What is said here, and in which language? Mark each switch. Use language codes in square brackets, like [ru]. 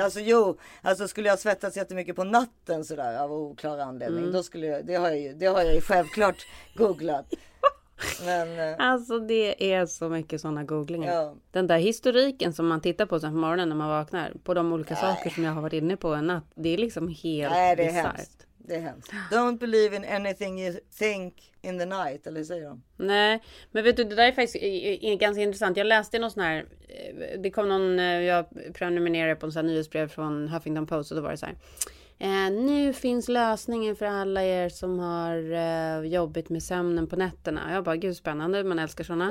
[sv] Alltså, jo, alltså skulle jag svettas jättemycket på natten så där av oklar anledning, då skulle jag, det har jag ju självklart googlat. Men, alltså det är så mycket sådana googlingar. Ja. Den där historiken som man tittar på sen på morgonen när man vaknar, på de olika saker som jag har varit inne på en natt, det är liksom helt bisarrt. Det är hemskt. Det är hemskt. [en] Don't believe in anything you think in the night, [sv] eller hur säger de? Nej, men vet du, det där är faktiskt är ganska intressant. Jag läste någon sån här, det kom någon, jag prenumererade på en sån här nyhetsbrev från Huffington Post, och då var det så här: nu finns lösningen för alla er som har jobbit med sömnen på nätterna. Jag bara, gud spännande, man älskar såna.